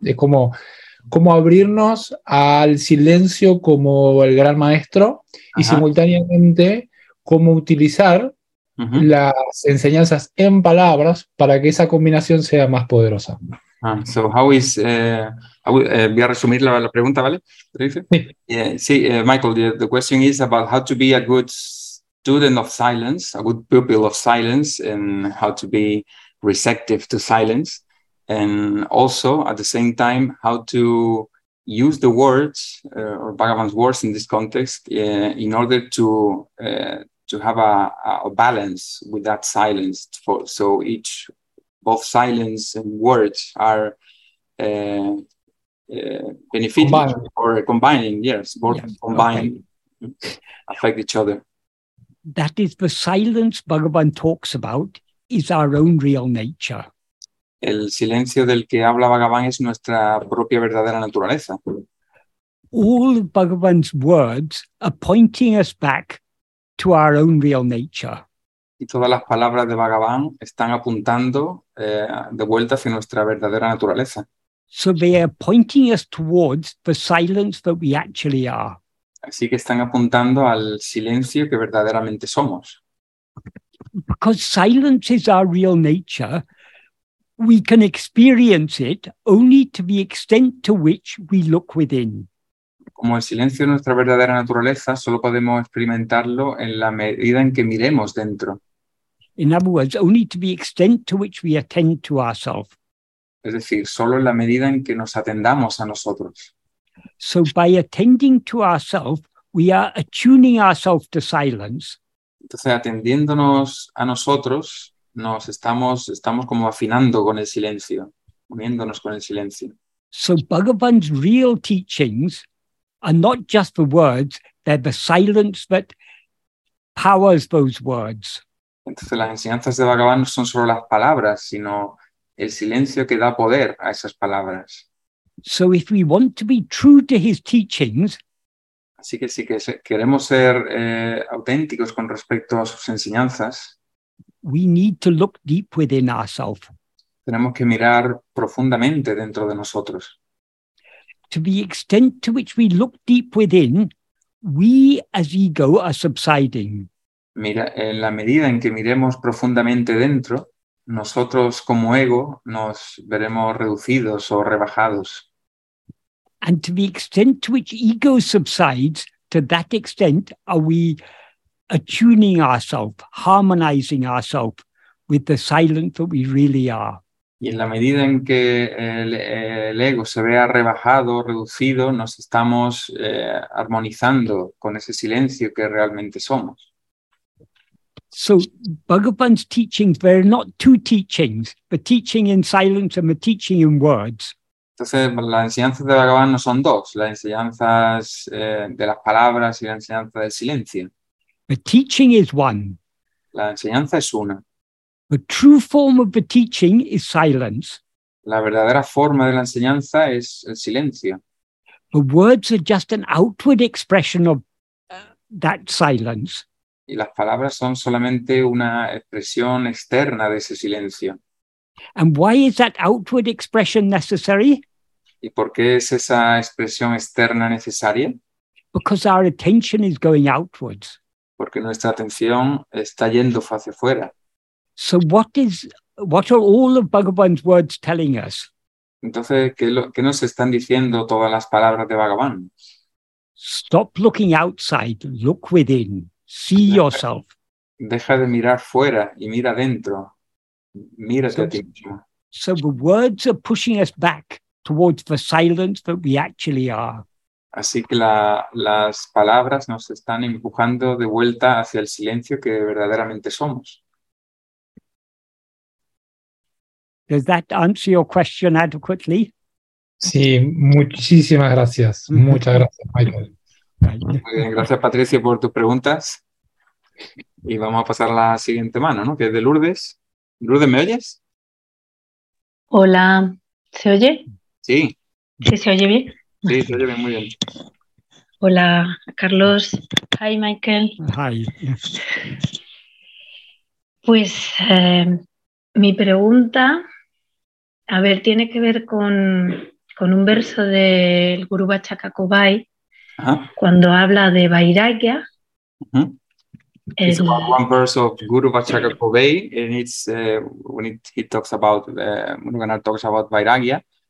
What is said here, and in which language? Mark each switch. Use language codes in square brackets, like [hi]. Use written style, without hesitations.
[es] Es como cómo abrirnos al silencio como el gran maestro. Ajá. Y simultáneamente cómo utilizar las enseñanzas en palabras para que esa combinación sea más poderosa. [en] So how is [es] voy a resumir la pregunta, ¿vale? [en] Michael, the question is about how to be a good student of silence, a good pupil of silence, and how to be receptive to silence, and also at the same time how to use the words or Bhagavan's words in this context in order to have a balance with that silence, so both silence and words are benefiting combining. Or combining, yes, both yes. Combine, okay. Affect each other. That is the silence Bhagavan talks about is our own real nature. [es] El silencio del que habla Bhagavan es nuestra propia verdadera naturaleza. [en] All of Bhagavan's words are pointing us back to our own real nature. [es] Y todas las palabras de Bhagavan están apuntando de vuelta hacia nuestra verdadera naturaleza. [en] So they are pointing us towards the silence that we actually are. [es] Así que están apuntando al silencio que verdaderamente somos. [en] Because silence is our real nature, we can experience it only to the extent to which we look within. [es] Como el silencio es nuestra verdadera naturaleza, solo podemos experimentarlo en la medida en que miremos dentro. [en] In other words, only to the extent to which we attend to ourselves. [es] Es decir, solo en la medida en que nos atendamos a nosotros. [en] So by attending to ourselves, we are attuning ourselves to silence. [es] Entonces, atendiéndonos a nosotros, nos estamos como afinando con el silencio, uniéndonos con el silencio. [en] So Bhagavan's real teachings are not just the words, they're the silence that powers those words. [es] Entonces, las enseñanzas de Bhagavan no son solo las palabras, sino el silencio que da poder a esas palabras. [en] So if we want to be true to his teachings, [es] Así que si queremos ser auténticos con respecto a sus enseñanzas, [en] we need to look deep within ourselves. [es] Tenemos que mirar profundamente dentro de nosotros. [en] To the extent to which we look deep within, we as ego are subsiding. [es] Mira, en la medida en que miremos profundamente dentro, nosotros como ego nos veremos reducidos o rebajados. [en] And to the extent to which ego subsides, to that extent are we attuning ourselves, harmonizing ourselves with the silent that we really are. [es] Y en la medida en que el ego se vea rebajado, reducido, nos estamos armonizando con ese silencio que realmente somos. [en] So Bhagavan's teachings, they're not two teachings, the teaching in silence and the teaching in words. [es] Entonces, las enseñanzas de Bhagavan no son dos, las enseñanzas de las palabras y la enseñanza del silencio. [en] The teaching is one. [es] La enseñanza es una. [en] The true form of the teaching is silence. [es] La verdadera forma de la enseñanza es el silencio. [en] The words are just an outward expression of that silence. [es] Y las palabras son solamente una expresión externa de ese silencio. [en] And why is that outward expression necessary? [es] ¿Y por qué es esa expresión externa necesaria? [en] Because our attention is going outwards. [es] Porque nuestra atención está yendo hacia afuera. [en] So what are all of Bhagavan's words telling us? [es] Entonces, ¿qué nos están diciendo todas las palabras de Bhagavan? [en] Stop looking outside, look within, see yourself. [es] Deja de mirar fuera y mira dentro. Mírate a ti mismo. [en] So the words are pushing us back towards the silence that we actually are. [es] Así que las palabras nos están empujando de vuelta hacia el silencio que verdaderamente somos. [en] Does that answer your question adequately? [es] Sí, muchísimas gracias. Muchas gracias, Michael. Muy bien, gracias, Patricio, por tus preguntas. Y vamos a pasar a la siguiente mano, ¿no? Que es de Lourdes. Lourdes, ¿me oyes? Hola, ¿se oye? Sí. Sí, se oye bien. Sí, se oye bien, muy bien. Hola, Carlos. [en] Hi, Michael. Hi. [es] Pues mi pregunta, a ver, tiene que ver con un verso del Guru Bachakakobai, cuando habla de Vairagya. Uh-huh. [en] It's about one verse of Guru Bachakakobai, and it's when he talks about, when he talks about Vairagya.